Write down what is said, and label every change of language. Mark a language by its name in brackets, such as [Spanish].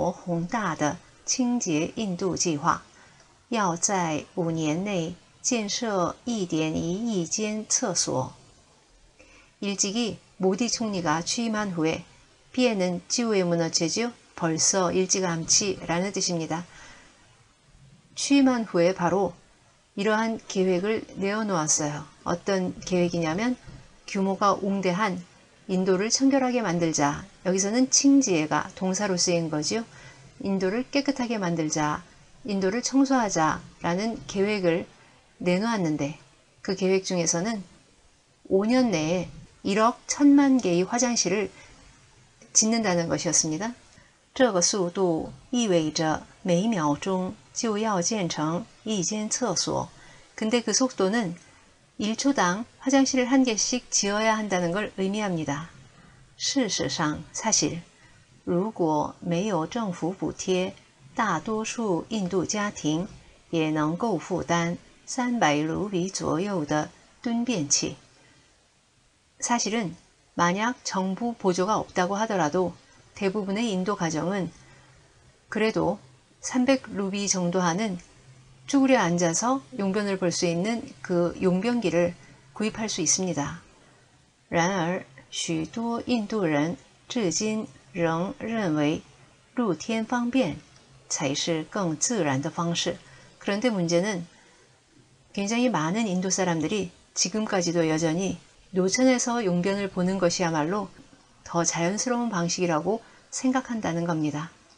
[Chinese] 早在莫迪总理上任后,便发起了规模宏大的清洁印度计划.要在5年内建设1.1亿间厕所. [Korean] 일찍이 모디 총리가 취임한 후에 비에는 지우의 문어체죠. 벌써 일찌감치라는 뜻입니다. 취임한 후에 바로 이러한 계획을 내어놓았어요. 어떤 계획이냐면 규모가 웅대한 인도를 청결하게 만들자. 여기서는 칭지에가 동사로 쓰인 거죠. 인도를 깨끗하게 만들자. 인도를 청소하자 라는 계획을 내놓았는데 그 계획 중에서는 5년 내에 1억 1천만 개의 화장실을 짓는다는 것이었습니다. [Chinese] 这个速度意味着每秒钟就要建成一间厕所. [Korean] 근데 그 속도는 1초당 화장실을 한 개씩 지어야 한다는 걸 의미합니다. [Chinese] 事实上, [Korean] 사실, [Chinese] 如果没有政府补贴,大多数印度家庭也能够负担300卢比左右的蹲便器. [Korean] 사실은 만약 정부 보조가 없다고 하더라도 대부분의 인도 가정은 그래도 300루비 정도 하는 쭈그려 앉아서 용변을 볼 수 있는 그 용변기를 구입할 수 있습니다. [Chinese] 然而, 许多印度人至今仍认为露天方便才是更自然的方式. [Korean] 그런데 문제는 굉장히 많은 인도 사람들이 지금까지도 여전히 노천에서 용변을 보는 것이야말로 더 자연스러운 방식이라고 생각한다는 겁니다.